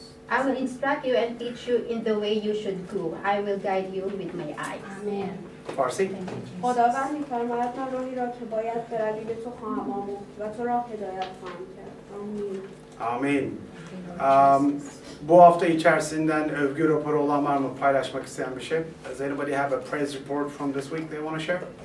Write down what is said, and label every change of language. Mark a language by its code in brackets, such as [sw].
[en] I will instruct you and teach you in the way you should go. I will guide you with my eyes. Amen. Farsi. [fa] خداوند می‌فرماید من راهی را که باید بروی به تو خواهم آموخت و تو را هدایت خواهم کرد. آمین. [tr] Bu hafta içerisinden övgü raporu olan var mı paylaşmak isteyen bir şey? [en] Does anybody have a praise report from this week they want to share?